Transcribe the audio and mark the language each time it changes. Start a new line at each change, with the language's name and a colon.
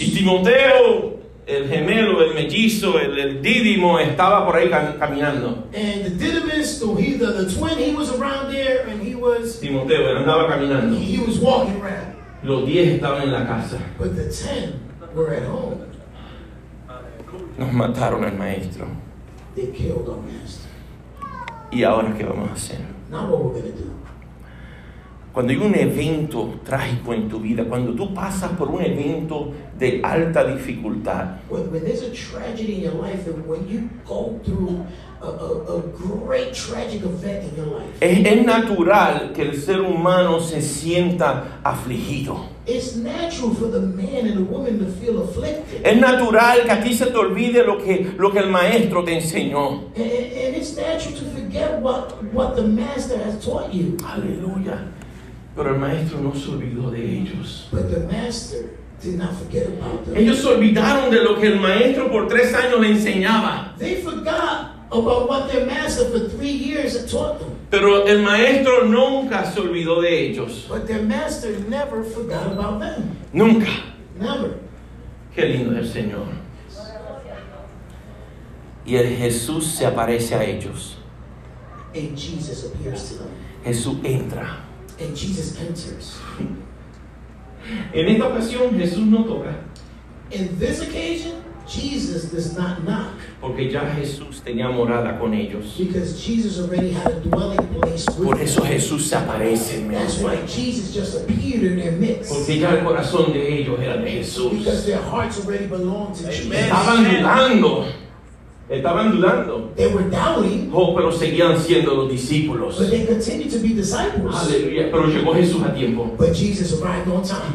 Spanish: Y Timoteo, el gemelo, el mellizo, el Dídimo, estaba por ahí caminando.
English: And the Didymus, the twin, he was around there and he was...
Spanish: Timoteo, él andaba caminando.
English: He was walking around.
Spanish: Los 10 estaban en la casa.
English: But the 10 were at home.
Spanish: Nos mataron al maestro.
English: They killed our master.
Spanish: ¿Y ahora qué vamos a hacer?
English: Now what we're gonna do.
Spanish: Cuando hay un evento trágico en tu vida, cuando tú pasas por un evento de alta dificultad,
English: when there's a tragedy in your life, and when you go through a great tragic event in your life,
Spanish: es natural que el ser humano se sienta afligido.
English: It's natural for the man and the woman to feel afflicted.
Spanish: Es natural que a ti se te olvide lo que el maestro te enseñó.
English: And it's natural to forget what the master has taught you.
Spanish: Aleluya. Pero el maestro no se olvidó de ellos.
English: But the master did not forget about them.
Spanish: Ellos se olvidaron de lo que el maestro por 3 años le enseñaba.
English: They forgot about what their master for 3 years had taught them.
Spanish: Pero el maestro nunca se olvidó de ellos.
English: But their master never forgot about them.
Spanish: Nunca.
English: Never.
Spanish: Qué lindo es el Señor. Y el Jesús se aparece a ellos.
English: And Jesus appears to them.
Spanish: Jesús entra.
English: And Jesus enters.
Spanish: En esta ocasión, Jesús no toca.
English: In this occasion, Jesus does not knock.
Spanish: Porque ya Jesús tenía morada con ellos.
English: Because Jesus already had a dwelling place with them.
Spanish: Por eso Jesús se aparece.
English: That's why Jesus just appeared in their midst.
Spanish: Porque ya el corazón de ellos era de Jesús.
English: Because their hearts already belonged to Jesus.
Spanish: Estaban dudando. Estaban dudando.
English: They were doubting.
Spanish: Oh, pero seguían siendo los discípulos.
English: But they continued to be disciples.
Spanish: Aleluya. Pero llegó Jesús a tiempo.
English: But Jesus arrived on time.